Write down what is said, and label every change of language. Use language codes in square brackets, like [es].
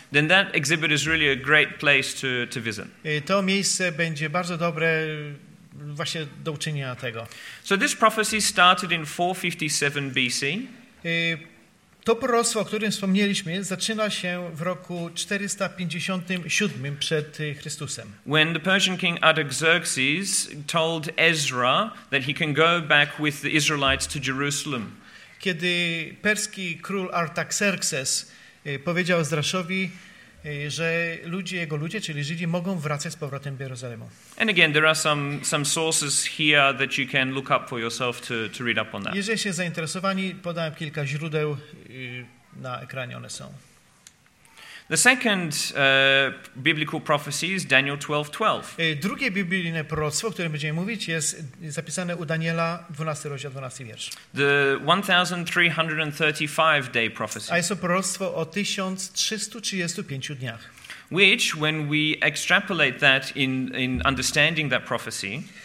[en] then that exhibit is really a great place to visit. [pl] To miejsce będzie bardzo dobre właśnie do uczynienia tego. [en] So this prophecy started in 457 BC. [pl] To proroctwo, o którym wspomnieliśmy, zaczyna się w roku 457 przed Chrystusem. [en] When the Persian king Artaxerxes told Ezra that he can go back with the Israelites to Jerusalem. [pl] Kiedy perski król Artaxerxes powiedział Ezraszowi, że ludzie, jego ludzie, czyli Żydzi, mogą wracać z powrotem do Jerozolimy. [en] And again, there are some sources here that you can look up for yourself to read up on that. [pl] Jeżeli się zainteresowani, podałem kilka źródeł na ekranie, one są. [en] The second biblical prophecy is Daniel 12:12. [pl] Drugie biblijne proroctwo, o którym będziemy mówić, jest zapisane u Daniela 12 rozdział 12 wiersz. [en] The 1335 day prophecy. [pl] A jest to proroctwo o 1335 dniach. [en] Which when we extrapolate that in understanding that prophecy,